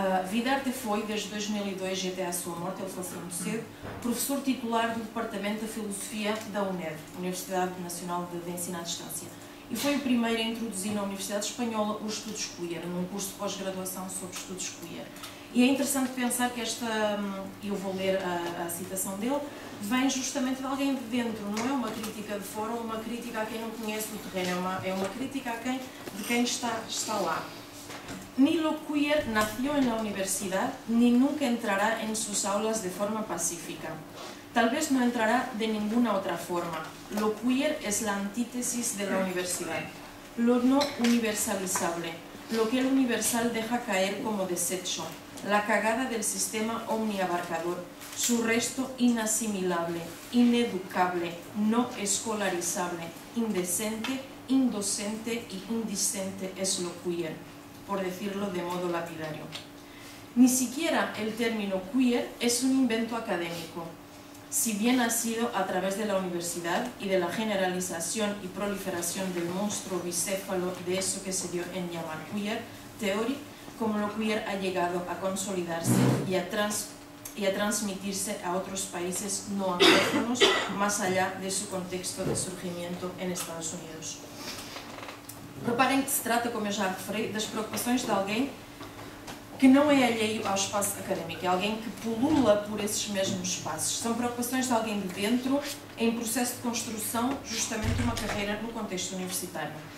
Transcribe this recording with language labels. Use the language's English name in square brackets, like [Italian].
[Portuguese] Vidarte foi, desde 2002 e até à sua morte, ele faleceu muito cedo, professor titular do Departamento de Filosofia da UNED, Universidade Nacional de Ensino à Distância, e foi o primeiro a introduzir na Universidade Espanhola os estudos queer, num curso de pós-graduação sobre estudos queer. E é interessante pensar que esta, eu vou ler a citação dele, vem justamente de alguém de dentro, não é uma crítica de fora ou uma crítica a quem não conhece o terreno, é uma crítica a quem, de quem está lá. [Spanish] Ni lo queer nació en la universidad, ni nunca entrará en sus aulas de forma pacífica. Tal vez no entrará de ninguna otra forma. Lo queer es la antítesis de la universidad. Lo no universalizable, lo que el universal deja caer como desecho, la cagada del sistema omniabarcador, su resto inasimilable, ineducable, no escolarizable, indecente, indocente y indiscente es lo queer, por decirlo de modo lapidario. Ni siquiera el término queer es un invento académico, si bien ha sido a través de la universidad y de la generalización y proliferación del monstruo bicéfalo de eso que se dio en llamar queer theory, como lo queer ha llegado a consolidarse y a transmitirse a otros países no anglófonos más allá de su contexto de surgimiento en Estados Unidos. [Portuguese] Reparen que se trata, como ya referí, das preocupações de alguém que não é alheio ao espaço académico, é alguém que pulula por esses mesmos espaços. São preocupações de alguém de dentro, em processo de construção, justamente uma carreira no contexto universitário.